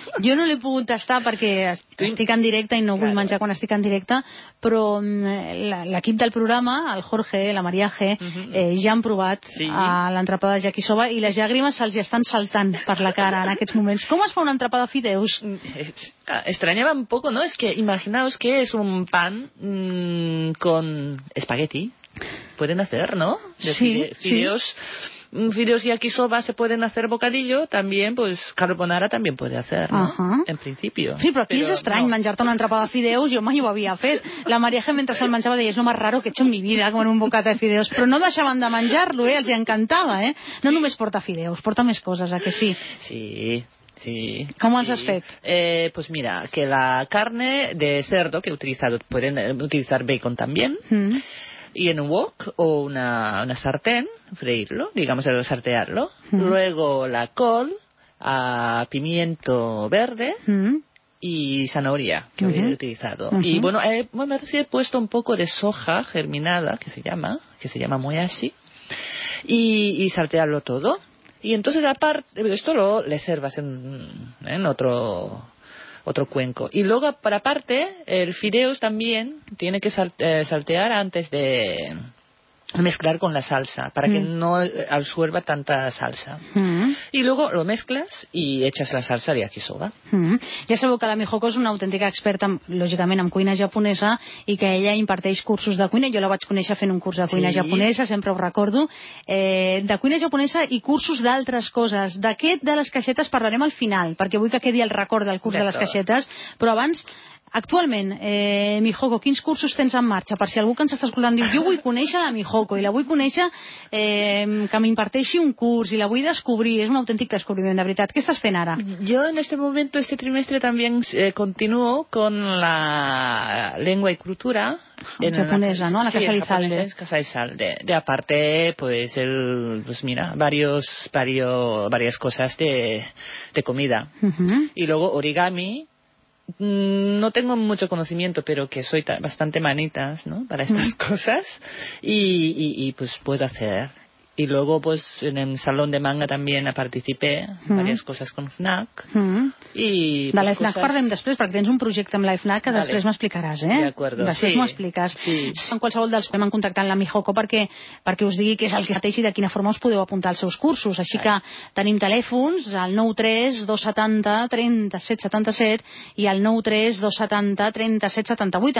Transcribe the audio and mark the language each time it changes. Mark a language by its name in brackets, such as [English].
[Catalan] Jo no l'he pogut tastar perquè estic en directe i no vull menjar quan estic en directe, però l'equip del programa, el Jorge, la Maria G, ja han provat l'entrepà de yakisoba, i les llàgrimes se'ls estan saltant per la cara en aquests moments. Com es fa un entrepà de fideus? [Spanish] Estranyava un poco, ¿no? Es que imaginaos que es un pan con espagueti. Pueden hacer, ¿no? Sí, fideos. Fideos y yakisoba se pueden hacer bocadillo, también, pues, carbonara también puede hacer, ¿no? Uh-huh. En principio. [Catalan] Sí, però aquí és estrany, no. Menjar-te una entrepà de fideus, jo mai ho havia fet. La Maria G, mentre se'l menjava, deia: és el més raro [Spanish] que he hecho en mi vida, comer un bocata [Catalan] de fideus. Però no deixaven de menjar-lo, els encantava, eh? No només porta fideus, porta més coses, ¿a que sí? Sí, sí. [Spanish] ¿Cómo sí. [Catalan] has fet? [Spanish] Pues mira, que la carne de cerdo que he utilizado, pueden utilizar bacon también, y en un wok o una sartén, freírlo, digamos, el sartearlo. Luego la col, pimiento verde y zanahoria, que he utilizado. Y bueno, me he puesto un poco de soja germinada, que se llama moyashi, y saltearlo todo. Y entonces, aparte, esto lo reservas en otro cuenco. Y luego, por aparte, el fideos también tiene que saltear antes de mezclar con la salsa, para que no absorba tanta salsa. Y luego lo mezclas y echas la salsa de yakisoba. [Catalan] Ja sabeu que la Mihoko és una autèntica experta, lògicament, en cuina japonesa, i que ella imparteix cursos de cuina. Jo la vaig conèixer fent un curs de cuina japonesa, sempre ho recordo. De cuina japonesa i cursos d'altres coses. D'aquest de les caixetes parlarem al final, perquè vull que quedi el record del curs de les caixetes. Però abans, Actualment, Mihoko, quins cursos tens en marxa? Per si algú que ens està escoltant diu, jo vull conèixer la Mihoko i la vull conèixer que m'imparteixi un curs i la vull descobrir, és un autèntic descobriment, de veritat. Què estàs fent ara? [Spanish] Jo en este momento, este trimestre, [Catalan] també continuo [Spanish] con la lengua y cultura. En japonesa, ¿no? La sí, Casa Elizalde. Sí, Casa Elizalde. De aparte, pues, el, pues mira, varias cosas de comida. Uh-huh. Y luego origami. No tengo mucho conocimiento, pero que soy bastante manitas, ¿no? Para estas cosas. Y pues puedo hacer. Y luego, pues, en el salón de manga también participé, varias cosas con FNAC. [Catalan] Y, de pues, l'FNAC coses... parlem després, perquè tens un projecte amb l'FNAC que després m'explicaràs, eh? [Spanish] De acuerdo. [Catalan] Després sí. M'ho expliques. Sí. En qualsevol dels que hem contactat amb la Mihoko perquè us digui què és el que mateix i de quina forma us podeu apuntar als seus cursos. Així que tenim telèfons al 93-270-3777 i al 93-270-3778.